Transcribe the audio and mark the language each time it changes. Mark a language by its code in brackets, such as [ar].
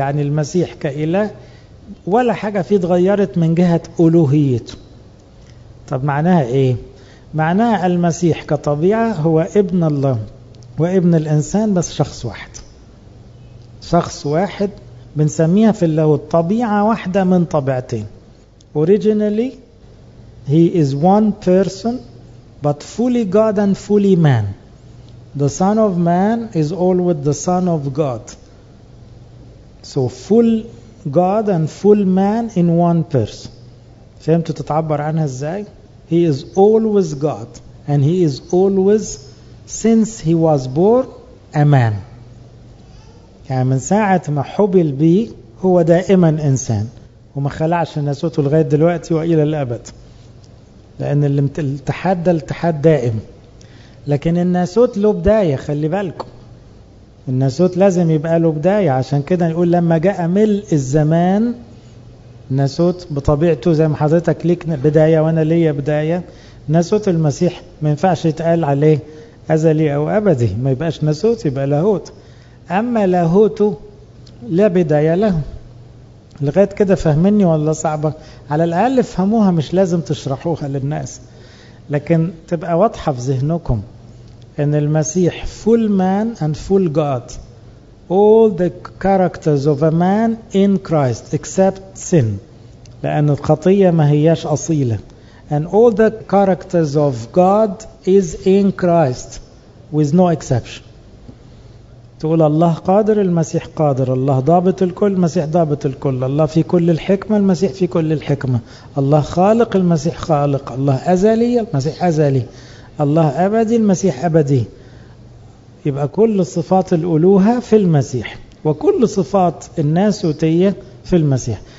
[ar] يعني المسيح كإله ولا حاجة فيه تغيرت من جهة ألوهيته. طب معناها ايه؟ معناها المسيح كطبيعة هو ابن الله وابن الإنسان، بس شخص واحد، شخص واحد، بنسميها في اللاهوت طبيعة واحدة من طبيعتين. [en] Originally he is one person but fully God and fully man. The son of man is all with the son of God. So full God and full man in one person. [ar] فهمتوا تتعبر عنها ازاي؟ [en] He is always God and he is always since he was born a man. [ar] يعني من ساعة ما حبل به هو دائما إنسان، وما خلعش ناسوته لغاية دلوقتي وإلى الأبد، لأن الاتحاد ده الاتحاد دائم، لكن الناسوت له بداية، خلي بالكم الناسوت لازم يبقى له بداية. عشان كده نقول لما جاء ملء الزمان ناسوت بطبيعته زي ما حضرتك ليك بداية وأنا ليا بداية، ناسوت المسيح ما ينفعش يتقال عليه أزلي أو أبدي، ما يبقاش ناسوت يبقى لاهوت. أما لاهوته لا بداية له. لغاية كده فهمني ولا صعبة؟ على الأقل فهموها، مش لازم تشرحوها للناس، لكن تبقى واضحة في ذهنكم أن المسيح [en] full man and full God. All the characters of a man in Christ except sin. [ar] لأن الخطية ما هياش أصيلة. [en] And all the characters of God is in Christ with no exception. [ar] تقول الله قادر، المسيح قادر، الله ضابط الكل، المسيح ضابط الكل، الله في كل الحكمة، المسيح في كل الحكمة، الله خالق، المسيح خالق، الله أزلي، المسيح أزلي، الله أبدي، المسيح أبدي. يبقى كل صفات الألوهة في المسيح، وكل صفات الناسوتية في المسيح.